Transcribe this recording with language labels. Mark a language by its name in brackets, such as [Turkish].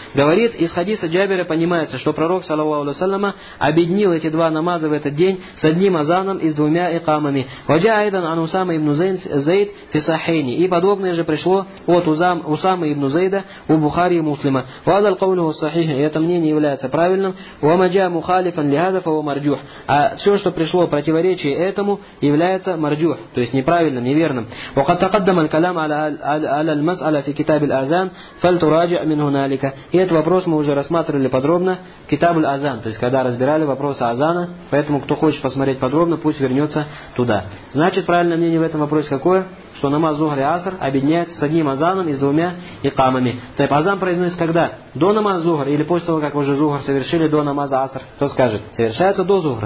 [Russian] Говорит, из хадиса Джабира понимается, что пророк, саллаллаху алейхи ва саллям, объединил эти два намаза в этот день с одним азаном и с двумя икамами. [Arabic] وجاء ايضا عن اسامه بن زيد في صحيحين [Russian] и подобное же пришло от Усамы ибн Зейда у Бухари и Муслима. [Arabic] وهذا القول هو الصحيح. [Russian] Это мнение является правильным. [Arabic] وما جاء مخالفا لهذا فهو مرجوح. [Russian] А все, что пришло противоречие этому, является марджух, то есть неправильным, неверным. [Arabic] وقد تقدم الكلام على المساله في كتاب الاذان فلتراجع من هنالك. [Russian] И этот вопрос мы уже рассматривали подробно в Китаб аль-Азан, то есть когда разбирали вопрос азана, поэтому кто хочет посмотреть подробно, пусть вернется туда. Значит, правильное мнение в этом вопросе какое? Что намаз Зухр и Аср объединяется с одним азаном и с двумя икамами. То есть азан произносится когда? До намаз Зухр или после того, как уже Зухр совершили до намаза Аср? Кто скажет? Совершается до Зухра.